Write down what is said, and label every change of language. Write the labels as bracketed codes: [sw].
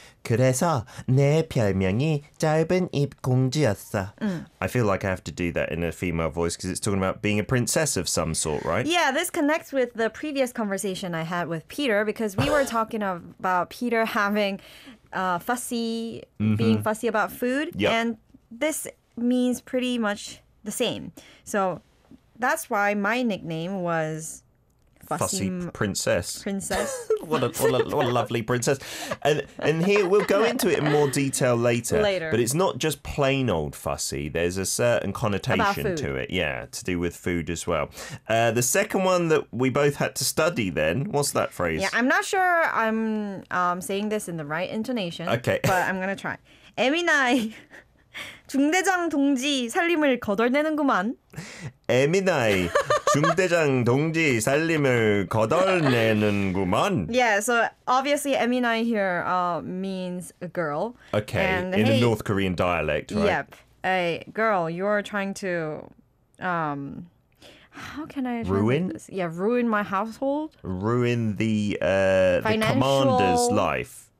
[ko] 그래서 내 별명이 짧은 입 공주였어. [en] I feel like I have to do that in a female voice because it's talking about being a princess of some sort, right? Yeah, this connects with the previous conversation I had with Peter because we were talking about Peter having fussy, mm-hmm. being fussy about food. Yep. And this means pretty much the same. So that's why my nickname was fussy princess. Princess. what a lovely princess. And here, we'll go into it in more detail later. Later. But it's not just plain old fussy. There's a certain connotation to it. Yeah, to do with food as well. The second one that we both had to study then, what's that phrase? Yeah, I'm not sure I'm saying this in the right intonation. Okay. But I'm going to try. Eminai. [ko] 중대장 동지 살림을 거덜내는구만. 에미나이 중대장 동지 살림을 거덜내는구만. [en] Yeah, so obviously Eminai here means a girl. Okay, and in a North Korean dialect, right? Yep, a girl, you're trying to, how can I ruin? Yeah, ruin my household. Ruin the commander's life.